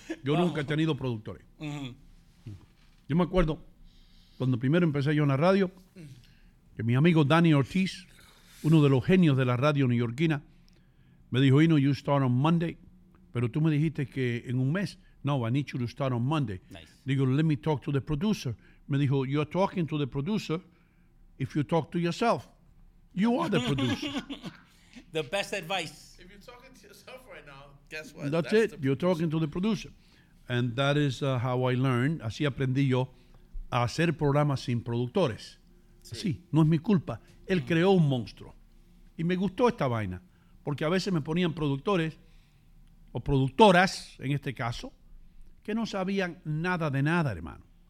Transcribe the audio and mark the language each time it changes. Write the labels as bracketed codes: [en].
[es] Yo nunca he tenido productores. Uh-huh. Yo me acuerdo cuando primero empecé yo en la radio, que mi amigo Danny Ortiz, uno de los genios de la radio neoyorquina, me dijo, Ino, [en] you start on Monday. [es] Pero tú me dijiste que en un mes. [en] No, I need you to start on Monday. Nice. Digo, let me talk to the producer. [es] Me dijo, [en] you're talking to the producer if you talk to yourself. You are the producer. The best advice. If you're talking to yourself right now, guess what? That's it. You're talking to the producer. And that is how I learned. [es] Así aprendí yo a hacer programas sin productores. Sí, no es mi culpa. Él creó un monstruo. Y me gustó esta vaina. Porque a veces me ponían productores, o productoras en este caso, que no sabían nada de nada, hermano.